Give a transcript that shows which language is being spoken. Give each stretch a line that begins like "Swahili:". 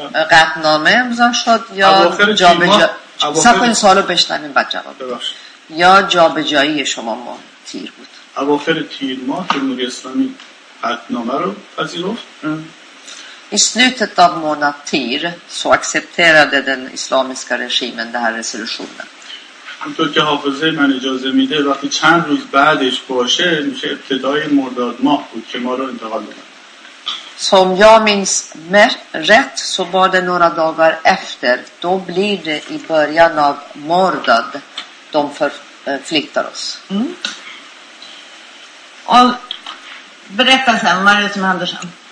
Persian: قطنامه امضا شد یا سفر این سوال رو بشنمیم بعد جواب یا جا به جایی شما ما تیر بود اواخر تیر ما جمهوری اسلامی قطنامه رو پذیرفت
Swedish: i slutet av månad Tir så accepterade den islamiska regimen den här resolutionen
Persian: همطور که حافظه من اجازه میده وقتی چند روز بعدش باشه میشه ابتدای مرداد ماه بود که ما رو انتقال دادن
Swedish: Som jag minns rätt så var det några dagar efter. Då blir det i början av mordad. De förflyttar oss. Mm. Och berätta sen, vad är det som händer sen?